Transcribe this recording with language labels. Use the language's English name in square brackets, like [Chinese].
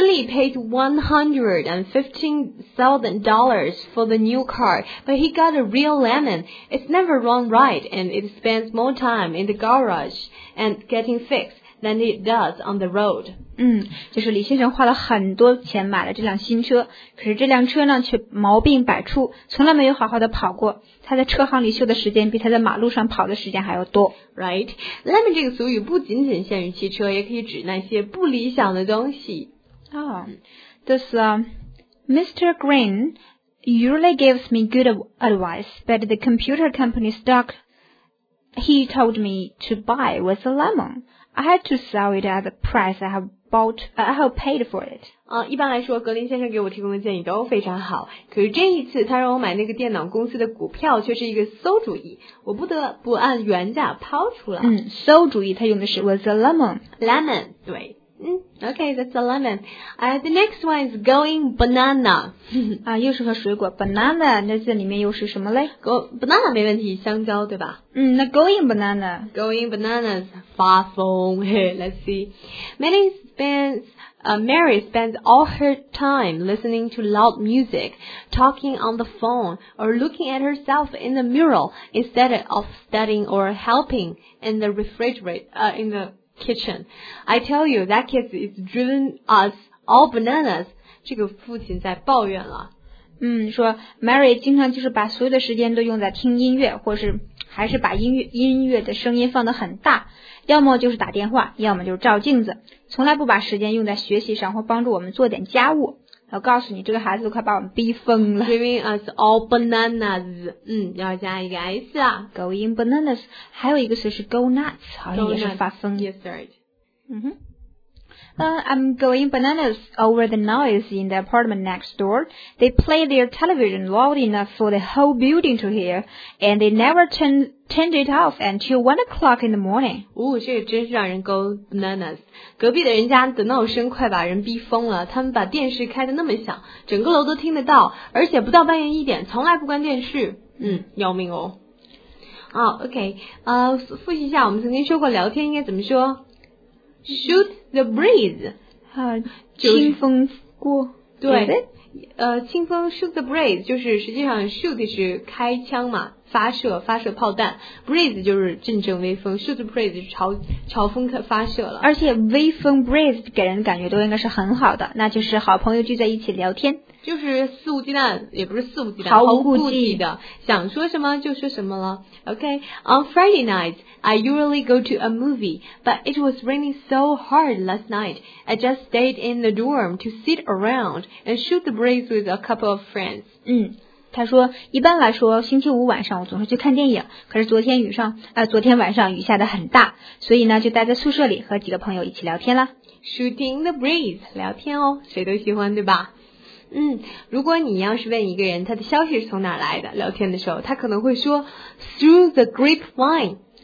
[English] Lee paid $115,000 for the new car, but he got a real lemon. It's never run right, and it spends more time in the garage and getting fixed than it does on the road. [Chinese] 就是李先生花了很多钱买了这辆新车，可是这辆车呢却毛病百出，从来没有好好的跑过。他在车行里修的时间比他在马路上跑的时间还要多。 [English] Right? [Chinese] Lemon 这个俗语不仅仅限于汽车，也可以指那些不理想的东西。 [English] Mr. Green usually gives me good advice, but the computer company stock he told me to buy was a lemon. I had to sell it at the price I have paid for it. [Chinese] 一般来说格林先生给我提供的建议都非常好，可是这一次他让我买那个电脑公司的股票却是一个馊主意，我不得不按原价抛出了。馊主意他用的是 [English] was a lemon. Lemon, [Chinese] 对。 [English] Okay, that's a lemon. The next one is going banana. [Chinese] 又是和水果 banana, 那这里面又是什么嘞？ Banana 没问题，香蕉对吧？那 [English] going banana. Going bananas, [Chinese] 发疯。 [English] Let's see. Mary spends all her time listening to loud music, talking on the phone, or looking at herself in the mirror instead of studying or helping in the kitchen. I tell you, that kid is driven us all bananas. [Chinese] 这个父亲在抱怨了。说 Mary 经常就是把所有的时间都用在听音乐，或是还是把音乐的声音放得很大，要么就是打电话，要么就是照镜子，从来不把时间用在学习上或帮助我们做点家务。我告诉你，这个孩子都快把我们逼疯了。 [English] Driven us all bananas. [Chinese] 要加一个 s 啊。 [English] Going bananas. [Chinese] 还有一个词是 [English] go nuts, [Chinese] 好像也是发疯。 [English] Yes, right. I'm going bananas over the noise in the apartment next door. They play their television loud enough for the whole building to hear, and they never turned it off until 1 o'clock in the morning. [Chinese] 哦，这也真是让人 [English] go bananas. [Chinese] 隔壁的人家的闹声快把人逼疯了，他们把电视开得那么响，整个楼都听得到，而且不到半夜一点，从来不关电视。嗯，要命哦。哦、oh, ，OK， 复习一下，我们曾经说过聊天应该怎么说 ， [English] shoot the breeze， [Chinese] 清风过，对，清风 [English] shoot the breeze， [Chinese] 就是实际上 shoot 是开枪嘛，发射炮弹 ，breeze 就是阵阵微风 ，shoot the breeze 就是朝风发射了，而且微风 breeze 给人感觉都应该是很好的，那就是好朋友聚在一起聊天。就是肆无忌惮，也不是肆无忌惮，毫无顾忌的，想说什么就说什么了。 [English] OK, on Friday nights, I usually go to a movie, but it was raining so hard last night, I just stayed in the dorm to sit around and shoot the breeze with a couple of friends. [Chinese] 嗯，他说，一般来说，星期五晚上我总是去看电影，可是昨天晚上雨下得很大，所以呢，就待在宿舍里和几个朋友一起聊天了。 [English] Shooting the breeze, [Chinese] 聊天哦，谁都喜欢，对吧？嗯，如果你要是问一个人他的消息是从哪来的，聊天的时候他可能会说 [English] through the grapevine。